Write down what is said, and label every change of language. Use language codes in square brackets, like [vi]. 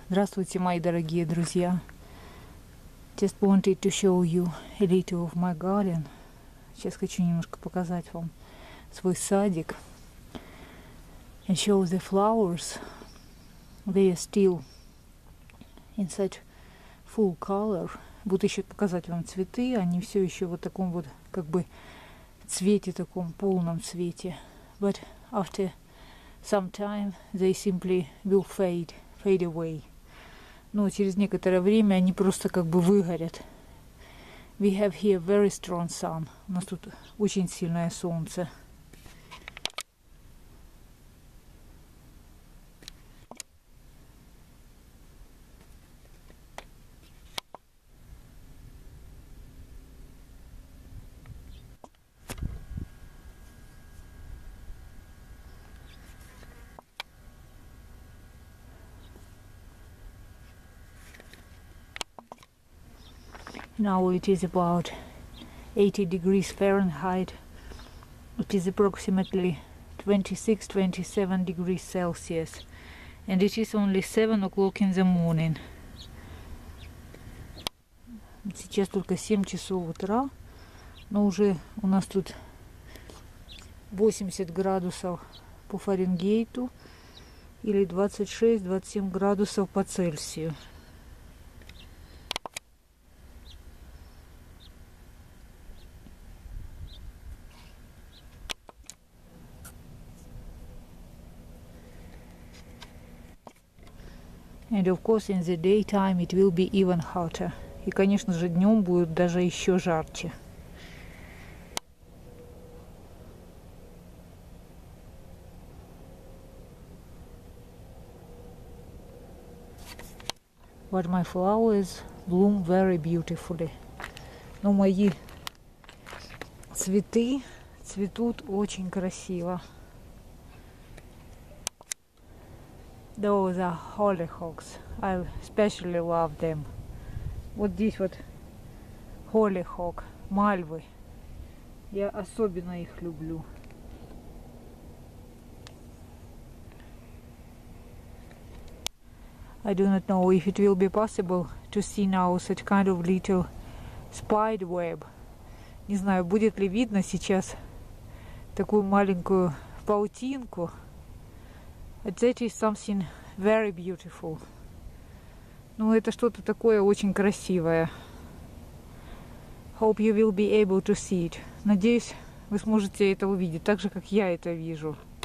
[ru] Здравствуйте, мои дорогие друзья. [en] Just wanted to show you a little of my garden. [ru] Сейчас хочу немножко показать вам свой садик. [en] And show the flowers. They are still in such full color. [ru] Буду еще показать вам цветы. Они все еще вот в таком вот, как бы, цвете, таком полном цвете. [en] But after sometime they simply will fade away. [ru] Ну, через некоторое время они просто как бы выгорят. [en] We have here very strong sun. [ru] У нас тут очень сильное солнце. [en] Now it is about 80 degrees Fahrenheit. It is approximately 26-27 degrees Celsius. And it is only 7 o'clock in the morning. [ru] Сейчас только 7 часов утра, но уже у нас тут 80 градусов по Фаренгейту или 26-27 градусов по Цельсию. [en] And of course, in the daytime it will be even hotter. [ru] И, конечно же, днем будет даже еще жарче. [en] But my flowers bloom very beautifully. [ru] Но мои цветы цветут очень красиво. [en] Those are hollyhocks. I especially love them. [ru] Вот здесь вот hollyhock, мальвы. Я особенно их люблю. [en] I do not know if it will be possible to see now such kind of little spider web. [ru] Не знаю, будет ли видно сейчас такую маленькую паутинку. [en] But that is something very beautiful. [ru] Ну, это что-то такое очень красивое. [en] Hope you will be able to see it. [ru] Надеюсь, вы сможете это увидеть, так же, как я это вижу.